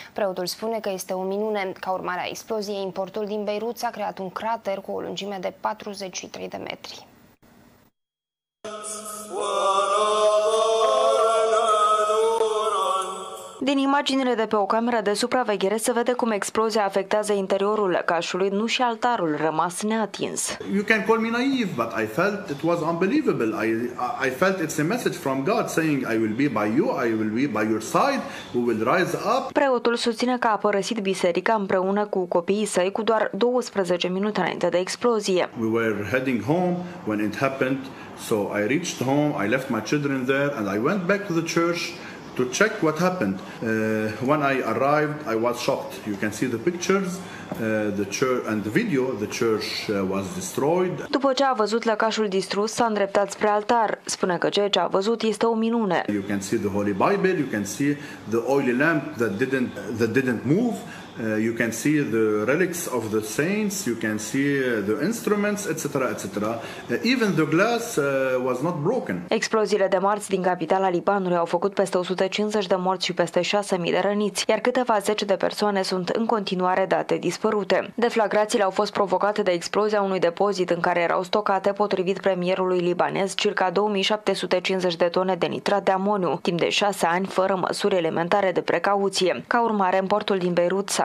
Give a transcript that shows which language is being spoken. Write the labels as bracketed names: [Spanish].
[Romanian] Preotul spune că este o minune. Ca urmare a exploziei, importul din Beirut s-a creat un crater cu o lungime de 43 de metri. Din imaginile de pe o cameră de supraveghere se vede cum explozia afectează interiorul lăcașului, nu și altarul rămas neatins. [English] You can call me naive, but I felt it was unbelievable. I felt it's a message from God saying I will be by you, I will be by your side, we will rise up. [Romanian] Preotul susține că a părăsit biserica împreună cu copiii săi cu doar 12 minute înainte de explozie. [English] We were heading home when it happened. So I reached home, I left my children there and I went back to the church to check what happened. When I arrived, I was shocked. You can see the pictures, the church and the video. The church was destroyed. [Romanian] După ce a văzut lăcașul distrus, s-a îndreptat spre altar. Spune că ceea ce a văzut este o minune. [English] You can see the Holy Bible, you can see the oily lamp that didn't move. You can see the relics of the saints, you can see the instruments, etc., etc. Even the glass was not broken. [Romanian] Exploziile de marți din capitala Libanului au făcut peste 150 de morți și peste 6.000 de răniți, iar câteva zeci de persoane sunt în continuare date dispărute. Deflagrațiile au fost provocate de explozia unui depozit în care erau stocate, potrivit premierului libanez, circa 2.750 de tone de nitrat de amoniu, timp de 6 ani fără măsuri elementare de precauție. Ca urmare, în portul din Beirut s-a